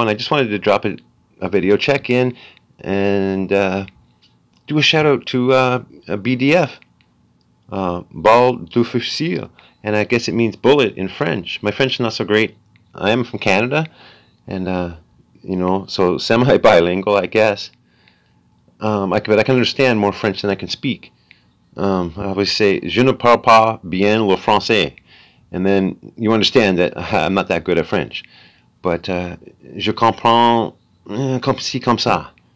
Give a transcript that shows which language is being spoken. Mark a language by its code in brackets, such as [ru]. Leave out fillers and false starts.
[en] And I just wanted to drop a video check-in and do a shout-out to BDF, Balle du Fusil. And I guess it means bullet in French. My French is not so great. I am from Canada. And, you know, so semi-bilingual, I guess. But I can understand more French than I can speak. I always say, [fr] je ne parle pas bien le français. [en] And then you understand that I'm not that good at French. But, [fr] je comprends comme ci, comme ça.